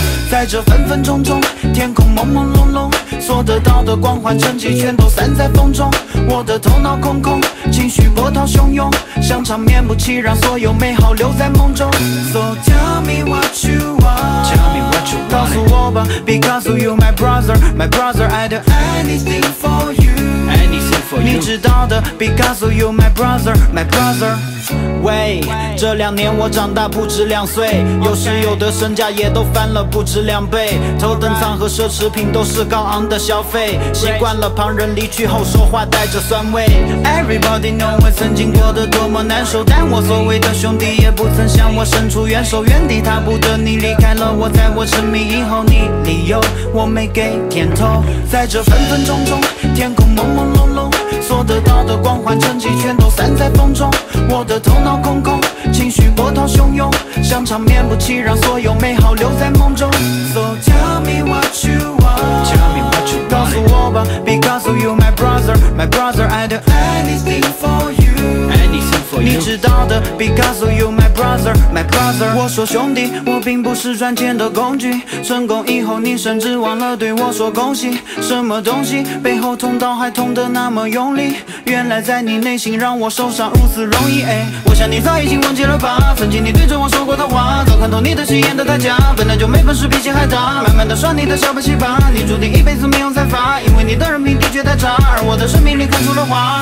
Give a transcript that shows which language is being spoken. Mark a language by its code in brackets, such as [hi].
[zh] 在这分分钟钟，天空朦朦胧胧，所得到的光环成绩全都散在风中，我的头脑空空，情绪波涛汹涌，像场面目其然，所有美好留在梦中。 [en] So tell me what you want, tell me what you want, [zh] 告诉我吧。 [en] Because you my brother, my brother, I'd do anything for you, anything for you, [zh] 你知道的。 [en] Because you my brother, my brother。 [zh] 喂，这两年我长大不止两岁，有时有的身价也都翻了不止两倍，头等舱和奢侈品都是高昂的消费，习惯了旁人离去后说话带着酸味。 [en] Everybody know [zh] 我曾经过得多么难受，但我所谓的兄弟也不曾向我伸出援手，原地踏步的你离开了我，在我沉迷以后你理由我没给甜头。在这分分钟钟，天空朦朦胧胧，所得到的光环成绩全都散在风中，我的头脑空空，情绪波涛汹涌，像场面不期然，所有美好留在梦中。 [en] So tell me what you want, tell me what you want, [zh] 告诉我吧。 [en] Because you my brother, my brother, I'd do anything for you, anything for you, [zh] 你知道的。 [en] Because you my brother, my brother, [zh] 我说兄弟，我并不是赚钱的工具，成功以后你甚至忘了对我说恭喜，什么东西背后捅刀还捅得那么用力，原来在你内心让我受伤如此容易。哎，我想你早已经忘记了吧，曾经你对着我说过的话，早看透你的心眼的代价，本来就没本事脾气还大，慢慢的刷你的小本戏吧，你注定一辈子没有再发，因为你的人品的确太差，而我的生命里看出了花。